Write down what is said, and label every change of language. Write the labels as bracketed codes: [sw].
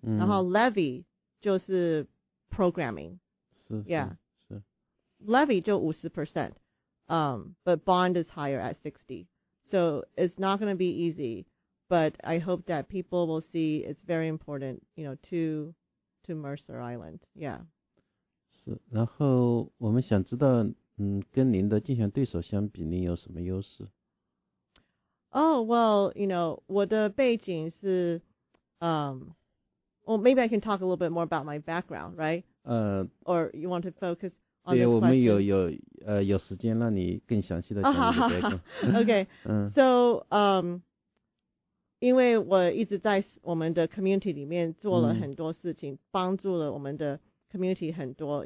[zh] 然后 levy 就是programming. 是 [en] yeah. [zh] 是 [en] levy 就50%, but bond is higher at 60. So it's not going to be easy, but I hope that people will see it's very important, you know, to Mercer Island. Yeah. [zh] 是，然后我们想知道，跟您的竞选对手相比，您有什么优势？ [en] Oh, well, you know, [zh] 我的背景是 [en] Well, maybe I can talk a little bit more about my background, right? Or you want to focus on this question? [zh] 对，我们有时间让你更详细的讲你的background。 Okay. So, 因为我一直在我们的 community 里面做了很多事情，帮助了我们的 community 很多。